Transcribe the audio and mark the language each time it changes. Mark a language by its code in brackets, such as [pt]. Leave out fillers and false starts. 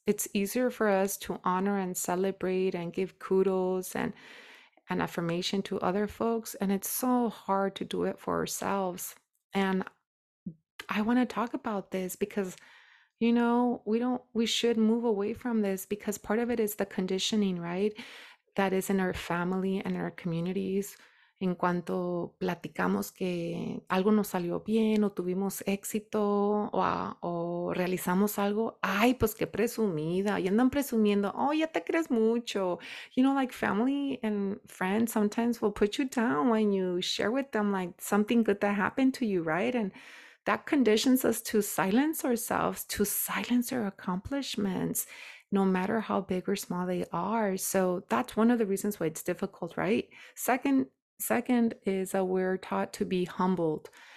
[en] It's easier for us to honor and celebrate and give kudos and affirmation to other folks, and it's so hard to do it for ourselves. And I want to talk about this because, you know, we should move away from this because part of it is the conditioning, right? That is in our family and our communities. [es] En cuanto platicamos que algo nos salió bien o tuvimos éxito o realizamos algo, ay, pues qué presumida. Y andan presumiendo, oh, ya te crees mucho. [en] You know, like family and friends sometimes will put you down when you share with them like something good that happened to you, right? And that conditions us to silence ourselves, to silence our accomplishments, no matter how big or small they are. So that's one of the reasons why it's difficult, right? Second is that we're taught to be humbled.